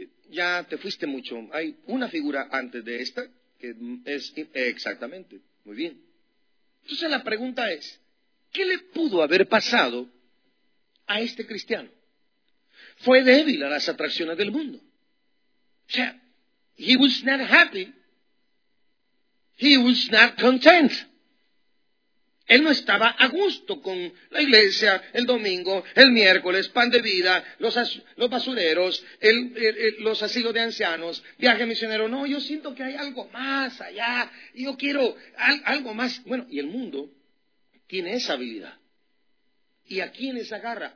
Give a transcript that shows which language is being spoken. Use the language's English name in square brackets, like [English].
[Spanish] Ya te fuiste mucho. Hay una figura antes de esta que es exactamente. Muy bien. Entonces la pregunta es, ¿qué le pudo haber pasado a este cristiano? Fue débil a las atracciones del mundo. O sea, [English] he was not happy, he was not content. [Spanish] Él no estaba a gusto con la iglesia, el domingo, el miércoles, pan de vida, los basureros, los asilos de ancianos, viaje misionero. No, yo siento que hay algo más allá, yo quiero algo más. Bueno, y el mundo tiene esa habilidad. ¿Y a quiénes agarra?